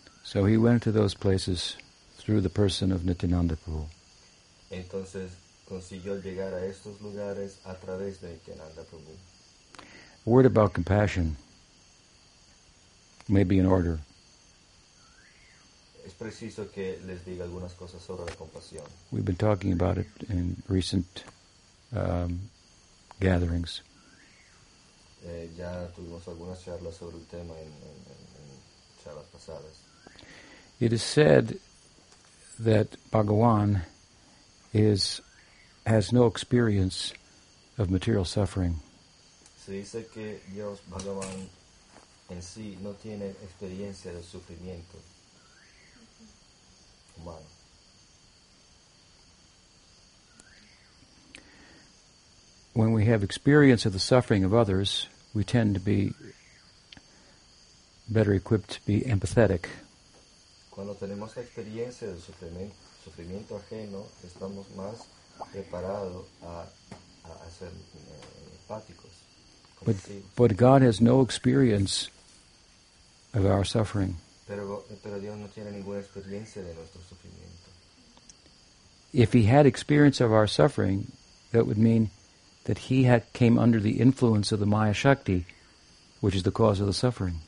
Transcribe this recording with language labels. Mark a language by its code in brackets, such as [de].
[en] So he went to those places through the person of Nityananda Prabhu. [es] Entonces consiguió llegar a estos lugares a través de Nityananda Prabhu. [en] A word about compassion may be in order. [es] Es preciso que les diga algunas cosas sobre la compasión. [en] We've been talking about it in recent gatherings. [es] Ya tuvimos algunas charlas sobre el tema en charlas pasadas. [en] It is said that Bhagawan has no experience of material suffering. [es] Se dice que Dios Bhagavan en sí no tiene experiencia de sufrimiento humano. [en] When we have experience of the suffering of others, we tend to be better equipped to be empathetic. [es] Cuando tenemos experiencia del sufrimiento ajeno, estamos más preparados a ser empáticos. [en] But God has no experience of our suffering. [es] Pero Dios no tiene ninguna experiencia de nuestro sufrimiento. [en] If he had experience of our suffering, that would mean that he had came under the influence of the Maya Shakti, which is the cause of the suffering.